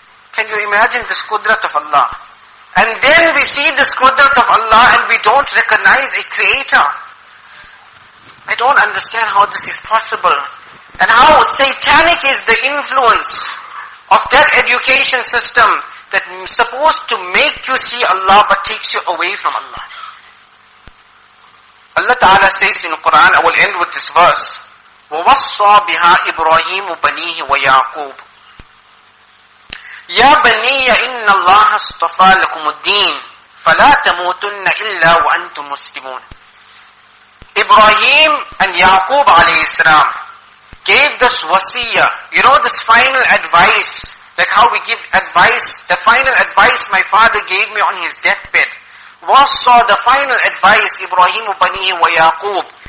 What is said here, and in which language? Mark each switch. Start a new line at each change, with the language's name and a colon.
English: Can you imagine this Qudrat of Allah? And then we see this Qudrat of Allah and we don't recognize a creator. I don't understand how this is possible. And how satanic is the influence of that education system that is supposed to make you see Allah but takes you away from Allah. Allah Ta'ala says in the Quran, I will end with this verse,
Arabic: وَوَصَّى بِهَا إِبْرَاهِيمُ بَنِيهِ وَيَعْقُوبُ يَا بَنِيَّ إِنَّ اللَّهَ اصْطَفَى لَكُمُ الدِّينَ فَلَا تَمُوتُنَّ إِلَّا وَأَنْتُمْ مُسْلِمُونَ.
English: Ibrahim and Yaqub alayhi salam gave this wasiyah, you know, this final advice, like how we give advice, the final advice my father gave me on his deathbed. Wasa, the final advice, Ibrahim ubanihi wa Yaqub.